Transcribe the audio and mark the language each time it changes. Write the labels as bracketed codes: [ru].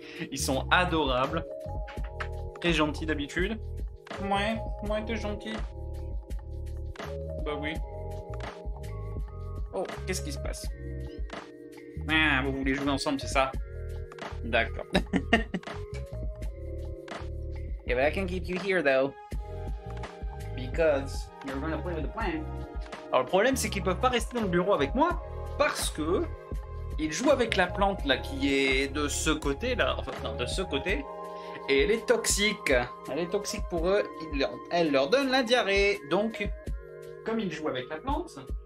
[fr] Ils sont adorables, très gentils d'habitude. Ouais, t'es gentil. Bah oui. Oh, qu'est-ce qui se passe? Ah, vous voulez jouer ensemble, c'est ça? D'accord. [en] Yeah, but I can keep you here though. Because you're gonna play with the plan. [fr] Alors le problème c'est qu'ils peuvent pas rester dans le bureau avec moi parce que ils jouent avec la plante là qui est de ce côté là. Enfin non, de ce côté. Et elle est toxique. Elle est toxique pour eux. Elle leur donne la diarrhée. Donc comme ils jouent avec la plante.